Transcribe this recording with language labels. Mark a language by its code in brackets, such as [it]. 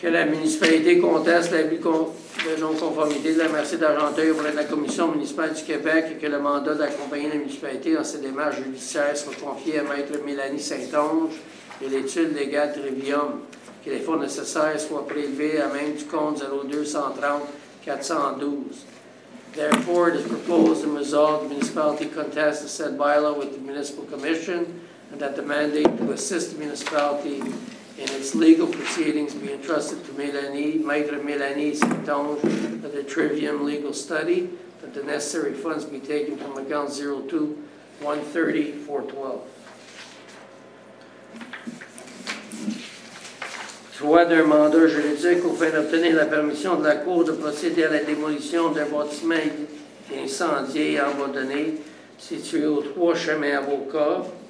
[fr] Que la municipalité conteste l'avis de non-conformité de la MRC d'Argenteuil auprès de la Commission municipale du Québec et que le mandat d'accompagner la municipalité dans ses démarches judiciaires soit confié à Maître Mélanie Saint-Onge et l'étude légale Trivium, que les fonds nécessaires soient prélevés à même du compte 02-130-412. [en] Therefore, it is proposed and resolved the municipality contest the said bylaw with the Municipal Commission and that the mandate to assist the municipality in its legal proceedings be entrusted to Mélanie, Maître Mélanie Saint-Onge of the Trivium Legal Study, that the necessary funds be taken from account 02-130-412. [fr] Trois, d'un mandat juridique au fin d'obtenir la permission de la Cour de procéder à la démolition d'un bâtiment incendié et abandonné, situé au 3 chemin Avocat.